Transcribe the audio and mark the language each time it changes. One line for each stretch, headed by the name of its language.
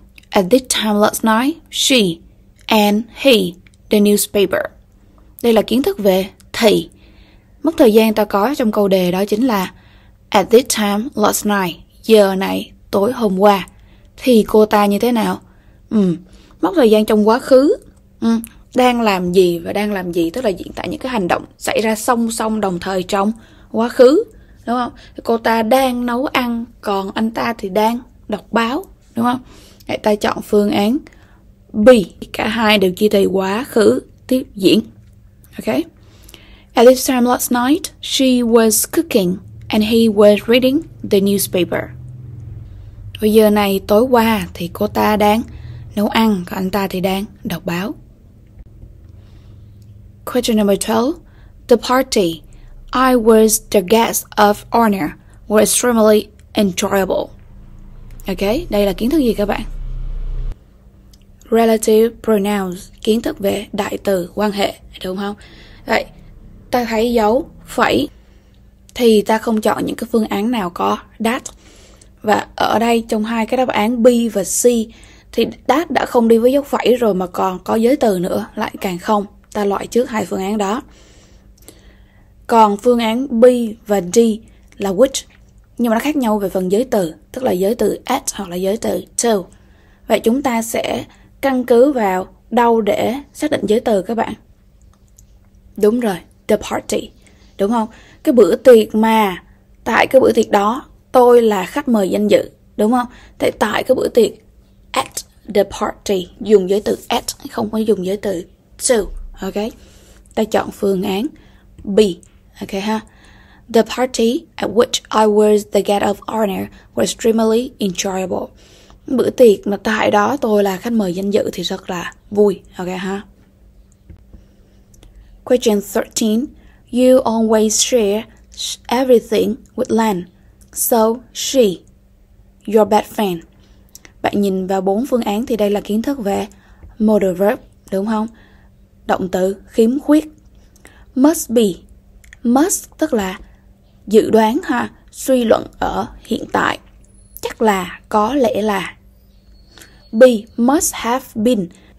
English: At this time last night, she and he the newspaper.
Vietnamese: Đây là kiến thức về thì. Mốc thời gian ta có trong câu đề đó chính là at this time last night. Giờ này, tối hôm qua. Thì cô ta như thế nào? Mốc thời gian trong quá khứ. Đang làm gì và đang làm gì? Tức là diễn tả những cái hành động xảy ra song song đồng thời trong quá khứ. Đúng không? Cô ta đang nấu ăn, còn anh ta thì đang đọc báo. Đúng không? Hãy ta chọn phương án B. Cả hai đều chia thì quá khứ tiếp diễn. Ok.
English: At this time last night, she was cooking and he was reading the newspaper.
Vietnamese: Bây giờ này tối qua thì cô ta đang Nấu ăn, còn anh ta thì đang đọc báo.
English: Question number 12. The party I was the guest of honor was extremely enjoyable.
Vietnamese: Ok, đây là kiến thức gì các bạn? Relative pronouns, kiến thức về đại từ, quan hệ, đúng không? Vậy, ta thấy dấu phẩy thì ta không chọn những cái phương án nào có that. Và ở đây trong hai cái đáp án B và C thì that đã không đi với dấu phẩy rồi mà còn có giới từ nữa, lại càng không. Ta loại trước hai phương án đó. Còn phương án B và D là which, nhưng mà nó khác nhau về phần giới từ, tức là giới từ at hoặc là giới từ to. Vậy chúng ta sẽ căn cứ vào đâu để xác định giới từ các bạn? Đúng rồi, the party, đúng không? Cái bữa tiệc mà tại cái bữa tiệc đó tôi là khách mời danh dự, đúng không? Thế tại cái bữa tiệc at the party, dùng giới từ at, không có dùng giới từ to. Ok, ta chọn phương án B. Ok ha.
English: The party at which I was the guest of honor was extremely enjoyable.
Vietnamese: Bữa tiệc mà tại đó tôi là khách mời danh dự thì rất là vui. Ok ha.
English: Question 13. You always share everything with Lan, so she your best friend.
Vietnamese: Bạn nhìn vào bốn phương án thì đây là kiến thức về modal verb, đúng không? Động từ khiếm khuyết. Must be. Must tức là dự đoán ha, suy luận ở hiện tại. Chắc là, có lẽ là. Be must have been.